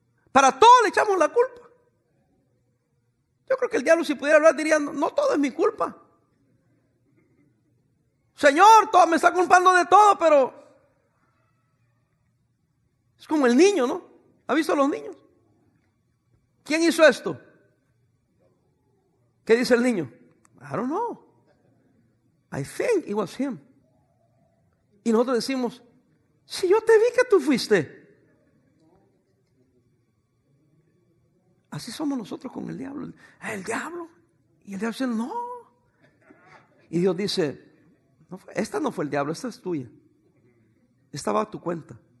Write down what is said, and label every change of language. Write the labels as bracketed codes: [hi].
[es] Para todo le echamos la culpa. Yo creo que el diablo si pudiera hablar diría, no todo es mi culpa. Señor, todo, me está culpando de todo, pero es como el niño, ¿no? ¿Ha visto a los niños? ¿Quién hizo esto? ¿Qué dice el niño? [en] I don't know. I think it was him. [es] Y nosotros decimos, si yo te vi que tú fuiste. Así somos nosotros con el diablo. El diablo. Y el diablo dice, no. Y Dios dice, no, esta no fue el diablo, esta es tuya. Esta va a tu cuenta.